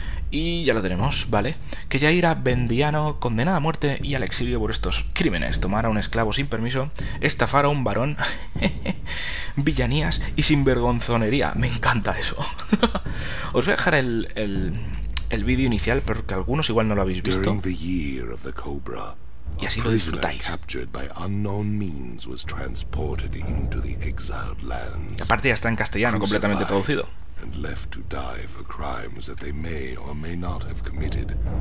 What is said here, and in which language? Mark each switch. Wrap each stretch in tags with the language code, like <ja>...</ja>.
<es>Y ya lo tenemos, ¿vale? Que ya irá Vendiano, condenada a muerte y al exilio por estos crímenes. Tomar a un esclavo sin permiso, estafar a un varón, villanías y sinvergonzonería. Me encanta eso. Os voy a dejar el vídeo inicial, porque algunos igual no lo habéis visto.</es> <en>During the year of the Cobra,</en> <es>y así lo disfrutáis.</es> <en>Captured by unknown means was transported into the exiled lands.</en> <es>Aparte ya está en castellano, crucified, completamente traducido.</es> <en>And left to die for crimes that they may or may not have committed.</en>